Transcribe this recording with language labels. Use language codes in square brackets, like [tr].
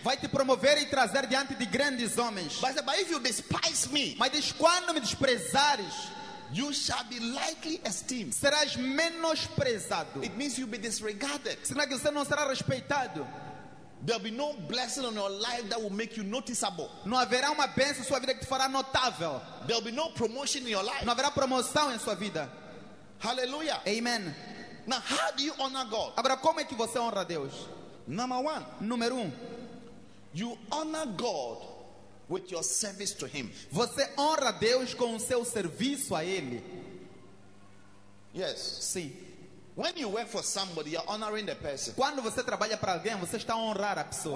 [pt] Vai te promover e trazer diante de grandes homens. [en] But if you despise me, [pt] mas diz, quando me desprezares, [en] you shall be lightly esteemed. [pt] Serás menosprezado. [en] It means you'll be disregarded. [pt] Será que você não será respeitado? [en] There will be no blessing on your life that will make you noticeable. [pt] Não haverá uma bênção em sua vida que te fará notável. [en] There will be no promotion in your life. [pt] Não haverá promoção em sua vida. [en] Hallelujah. [pt] Amen. [en] Now, how do you honor God? [pt] Agora, como é que você honra Deus? [en] Number one. [pt] Número um. [en] You honor God with your service to Him. [pt] Você honra Deus com o seu serviço a Ele. [en] Yes. [pt] Sim. [en] When you work for somebody, you're honoring the person. [pt] Quando você trabalha para alguém, você está honrando a pessoa.